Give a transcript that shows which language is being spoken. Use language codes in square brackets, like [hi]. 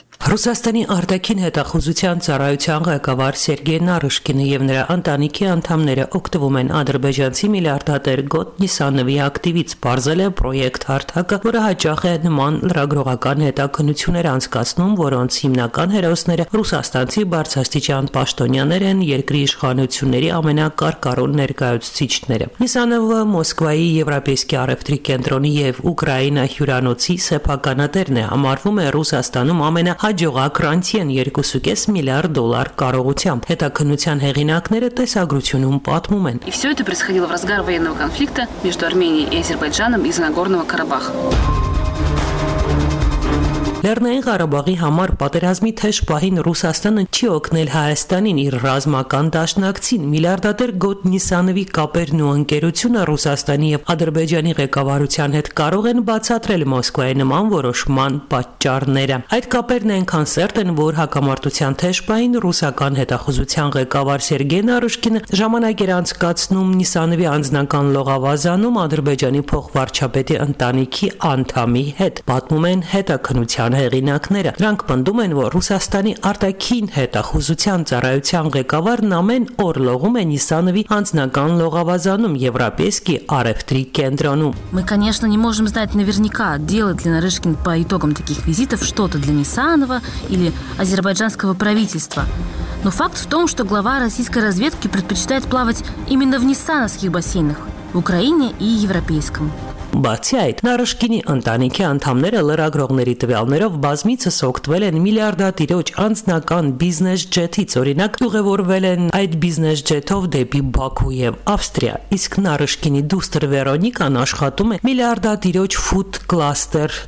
[hy] Ռուսաստանի արտաքին հետախուզության ծառայության ղեկավար Սերգեյ Նարուշկինը և նրա ընտանիքի անդամները օգտվում են ադրբեջանցի միլիարդատեր Գոտ Նիսանովի ակտիվից, պարզել է պրոյեկտ հարթակը, որը հաճախ է նման լրագրողական հետաքննություններ անցկացնում, որոնց հիմնական հերոսները ռուսաստանցի բարձրաստիճան պաշտոնյաներ են, երկրի իշխանությունների ամենակարկառուն ներկայացուցիչները։ Նիսանովը Մոսկվայի Եվրոպեյսկի առևտրի կենտրոնի և Ուկրաինա հյուրանոցի սեփականատերն է, համարվում է Ռուսաստանում ամենա հաջողակ ռանցիեն 2.5 միլիարդ դոլար կարողությամբ։ Հետաքննության հեղինակները տեսագրությունում պատմում են. [ru] И всё это происходило в разгар военного конфликта между Арменией и Азербайджаном из Нагорного Карабаха. [hy] Լեռնային Ղարաբաղի համար պատերազմի թեժ պահին Ռուսաստանը չի օգնել Հայաստանին իր ռազմական դաշնակցին։ Միլիարդատեր Գոտ Նիսանովի կապերն ու ընկերությունը Ռուսաստանի և Ադրբեջանի ղեկավարության հետ կարող են բացատրել Մոսկվայի նման որոշման պատճառները։ Այդ կապերն այնքան սերտ են, որ հակամարտության թեժ պահին ռուսական հետախուզության ղեկավար Սերգեյ Նարուշկինը ժամանակ էր անցկացնում Նիսանովի անձնական լողավազանում Ադրբեջանի փոխվարչապետի ընտանիքի անդամի հետ, պատմում են հետաքննության հեղինակները։ Նրանք պնդում են, որ Ռուսաստանի արտաքին հետախուզության ծառայության ղեկավարն ամեն օր լողում է Նիսանովի անձնական լողավազանում Եվրոպեյսկի առևտրի կենտրոնում։ [ru] Мы, конечно, не можем знать наверняка, делает ли Нарышкин по итогам таких визитов что-то для Нисанова или азербайджанского правительства. Но факт в том, что глава российской разведки предпочитает плавать именно в нисановских бассейнах, в Украине и европейском. [hy] Բացի այդ, Նարուշկինի ընտանիքի անդամները լրագրողների տվյալներով բազմիցս օգտվել են միլիարդատիրոջ անձնական բիզնես ջեթից, օրինակ՝ ուղևորվել են այդ բիզնես ջեթով դեպի Բաքու և Ավստրիա, իսկ Նարուշկինի դուստր Վերոնիկան աշխատում է միլիարդատիրոջ ֆուդ կլաստեր